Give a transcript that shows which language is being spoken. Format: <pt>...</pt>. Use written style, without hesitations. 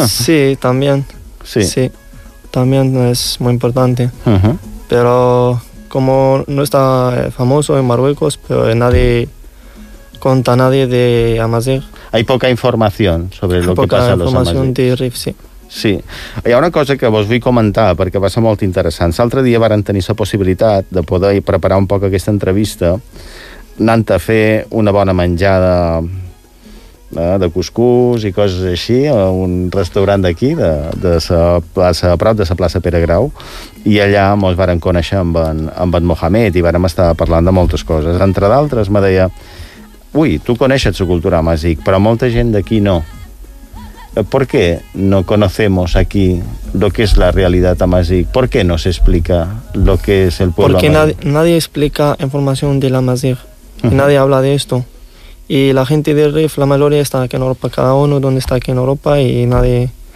<es>Sí, también. Sí. Sí, también es muy importante. Pero... como no está famoso en Marruecos, pero nadie cuenta a nadie de amazig. Hay poca información sobre lo poca que pasa a los amazigs. Poca información de Rif, sí. Sí.</es> <ca>Hi ha una cosa que vos vull comentar, perquè va ser molt interessant. L'altre dia varen tenir la possibilitat de poder preparar un poc aquesta entrevista anant a fer una bona menjada de cuscús i coses així a un restaurant d'aquí de la plaça, a prop de la plaça Pere Grau, i allà mos varen conèixer amb en Mohamed i varen estar parlant de moltes coses. Entre d'altres me deia: ui, tu coneixes la cultura amazig, però molta gent d'aquí no.</ca> <es>¿Por qué no conocemos aquí lo que es la realidad amazig? ¿Por qué no se explica lo que es el pueblo amazig? Porque nadie explica información del amazig. Nadie habla de esto. Y la gente del Rif, la mayoría está aquí en Europa, cada uno donde está aquí en Europa, y nadie...</es>